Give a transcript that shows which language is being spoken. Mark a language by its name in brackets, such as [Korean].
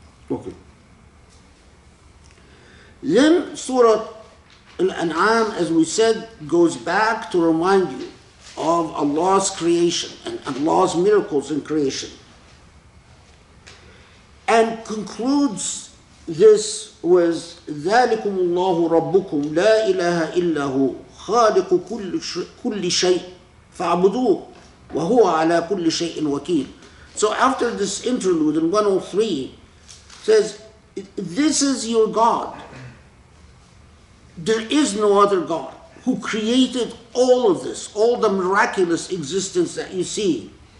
[English] Okay. Then Surah Al-An'am, as we said, goes back to remind you of Allah's creation and Allah's miracles in creation. And concludes this with [Arabic] ذلكم الله ربكم لا إله إلا هو خالق كل شيء فاعبدوه وهو على كل شيء وكيل. [English] So after this interlude in 103, says, this is your God. There is no other God who created all of this, all the miraculous existence that you see.